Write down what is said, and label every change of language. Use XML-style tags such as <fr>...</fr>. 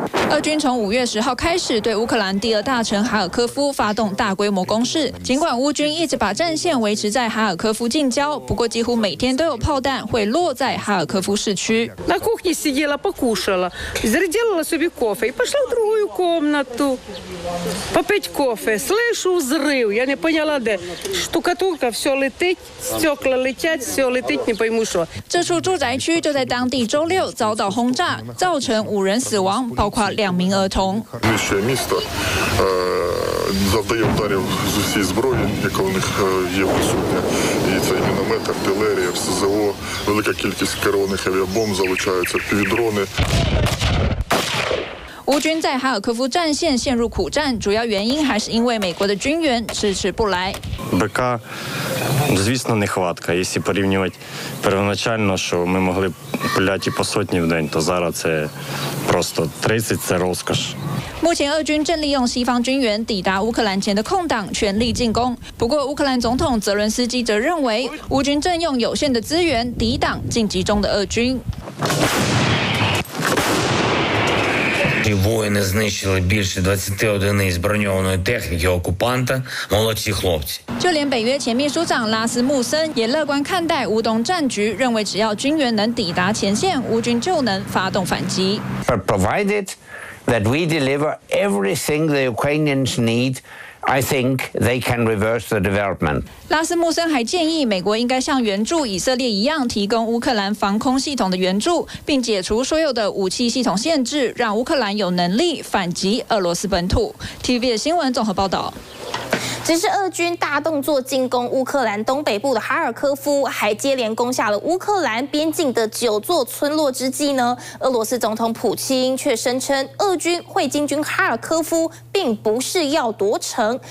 <zh>俄军从5月10号开始对乌克兰第二大城哈尔科夫发动大规模攻势，尽管乌军一直把战线维持在哈尔科夫近郊，不过几乎每天都有炮弹会落在哈尔科夫市区。</zh> <ru>На кухне сидела, покушала, сделала себе кофе и пошла в другую комнату попить кофе. Слышу взрыв, я не поняла де. Штукатурка все летит, стекла летят, все летит, не пойму что.</ru> <zh>这处住宅区就在当地周六遭到轰炸，造成5人死亡，包括2名儿童。</zh> <uk>Завдає ударів з усієї зброї, яка у них є присутня. І це і міномет, артилерія, СЗО, велика кількість керованих авіабомб залучаються, півдрони.</uk> <zh>乌军在哈尔科夫战线陷入苦战，主要原因还是因为美国的军援迟迟不来。</zh> <uk>БК, звісно, нехватка. Якщо порівнювати первоначально, що ми могли пуляти по сотні в день, то зараз це просто 30 – це розкош.</uk> <zh>目前俄军正利用西方军援抵达乌克兰前的空档，全力进攻。不过，乌克兰总统泽伦斯基则认为，乌军正用有限的资源抵挡晋级中的俄军。</zh> <uk>Ці воїни знищили більше 20 одиниць броньованої техніки окупанта. Молодці хлопці.</uk> <zh>就连北约前秘书长拉斯穆森也乐观看待乌东战局，认为只要军援能抵达前线，乌军就能发动反击。</zh> <en>But provided that we deliver everything the Ukrainians need. I think they can reverse the development.</en> <zh>拉斯穆森还建议美国应该像援助以色列一样提供乌克兰防空系统的援助，并解除所有的武器系统限制，让乌克兰有能力反击俄罗斯本土。 TVBS 新闻综合报道。只是俄军大动作进攻乌克兰东北部的哈尔科夫，还接连攻下了乌克兰边境的9座村落之际呢，俄罗斯总统普京却声称俄军会进军哈尔科夫，并不是要夺城。</zh>